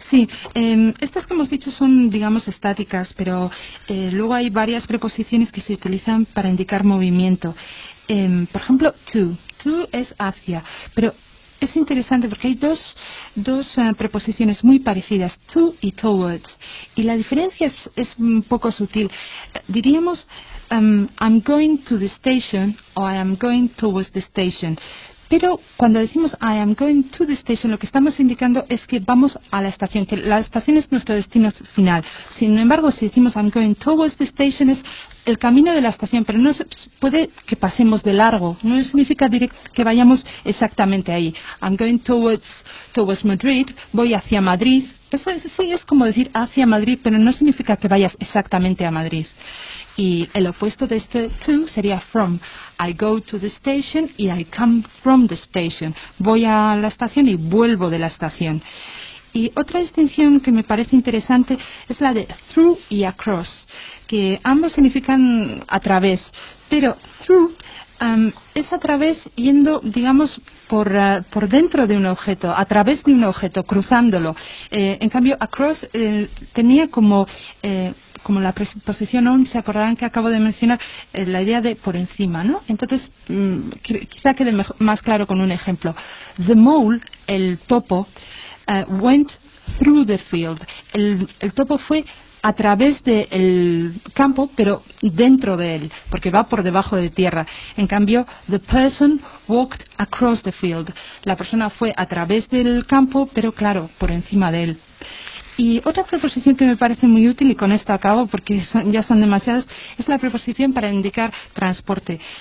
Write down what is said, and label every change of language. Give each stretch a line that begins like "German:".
Spanish: Sí, estas que hemos dicho son, digamos, estáticas, pero luego hay varias preposiciones que se utilizan para indicar movimiento. Por ejemplo, to. To es hacia, pero es interesante porque hay dos preposiciones muy parecidas, to y towards, y la diferencia es un poco sutil. Diríamos,
English: I'm going to the station o I am going towards the station.
Spanish: Pero cuando decimos
English: I am going to the station,
Spanish: lo que estamos indicando es que vamos a la estación, que la estación es nuestro destino final. Sin embargo, si decimos
English: I'm going towards the station,
Spanish: es el camino de la estación, pero no puede que pasemos de largo. No significa que vayamos exactamente ahí.
English: I'm going towards Madrid,
Spanish: voy hacia Madrid. Eso sí es como decir hacia Madrid, pero no significa que vayas exactamente a Madrid. Y el opuesto de este to sería from.
English: I go to the station y I come from the station.
Spanish: Voy a la estación y vuelvo de la estación. Y otra distinción que me parece interesante es la de through y across, que ambos significan a través, pero through es a través yendo, digamos, por dentro de un objeto, a través de un objeto, cruzándolo. En cambio, across tenía como la preposición on, se acordarán que acabo de mencionar, la idea de por encima, ¿no? Entonces, quizá quede más claro con un ejemplo.
English: The mole,
Spanish: el topo,
English: went through the field.
Spanish: El topo fue a través del campo, pero dentro de él, porque va por debajo de tierra. En cambio,
English: the person walked across the field.
Spanish: La persona fue a través del campo, pero claro, por encima de él. Y otra preposición que me parece muy útil, y con esto acabo porque ya son demasiadas, es la preposición para indicar transporte.